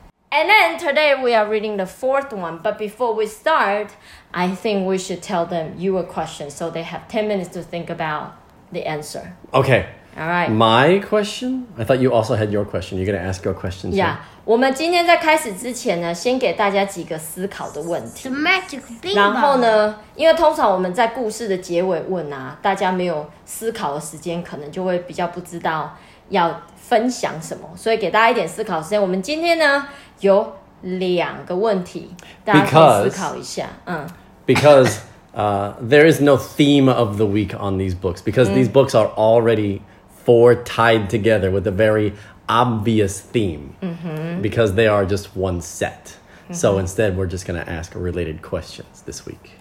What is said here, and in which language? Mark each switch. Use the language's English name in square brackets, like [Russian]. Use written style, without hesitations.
[English] And then today we are reading the fourth one. But before we start, I think we should tell them you a question so they have 10 minutes to think about the answer. Okay. All right. My question? I thought you also had your question. You're going to ask your question soon. Yeah. [Chinese] 我们今天在开始之前呢，先给大家几个思考的问题。 [English] The magic bean. [Chinese] 然后呢，因为通常我们在故事的结尾问啊，大家没有思考的时间，可能就会比较不知道要分享什么。所以给大家一点思考时间。我们今天呢有两个问题，大家可以思考一下。 [English] Because there is no theme of the week on these books because these books are already four tied together with a very obvious theme because they are just one set. So instead, we're just going to ask related questions this week.